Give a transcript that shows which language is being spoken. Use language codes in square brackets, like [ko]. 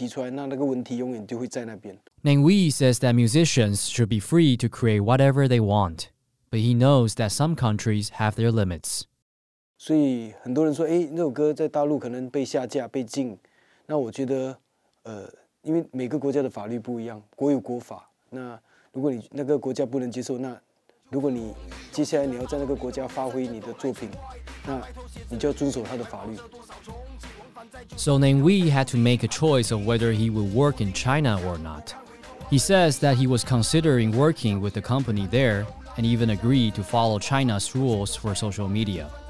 [en] Namewee says that musicians should be free to create whatever they want, but he knows that some countries have their limits. [zh] 所以很多人说，哎，那首歌在大陆可能被下架、被禁。那我觉得，因为每个国家的法律不一样，国有国法。那如果你那个国家不能接受，那如果你接下来你要在那个国家发挥你的作品，那你就要遵守他的法律。 [en] So Namewee had to make a choice of whether he would work in China or not. He says that he was considering working with the company there and even agreed to follow China's rules for social media.